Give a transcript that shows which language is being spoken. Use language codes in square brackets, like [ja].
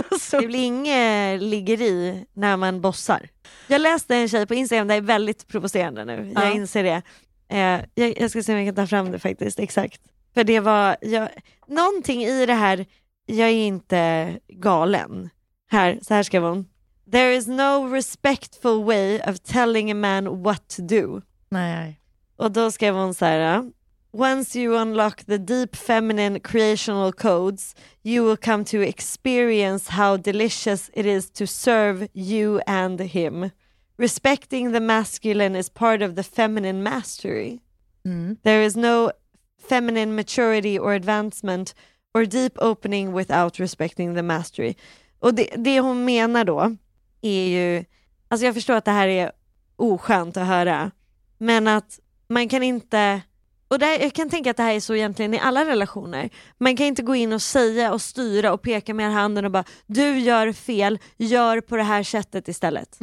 [sv] Det blir inget liggeri när man bossar. Jag läste en tjej på Instagram, det är väldigt provocerande nu. Ja. Jag inser det. Jag ska se om jag kan ta fram det faktiskt, exakt. För det var... Någonting i det här... Jag är inte galen. Här, så här skrev hon. [en] There is no respectful way of telling a man what to do. [sv] Nej. Och då skrev hon så här. [en] Once you unlock the deep feminine creational codes, you will come to experience how delicious it is to serve you and him. Respecting the masculine is part of the feminine mastery. Mm. There is no feminine maturity or advancement or deep opening without respecting the mastery. [sv] Och det hon menar då är ju, alltså jag förstår att det här är oskönt att höra, men att man kan inte, och det här, jag kan tänka att det här är så egentligen i alla relationer, man kan inte gå in och säga och styra och peka med handen och bara, du gör fel, gör på det här sättet istället.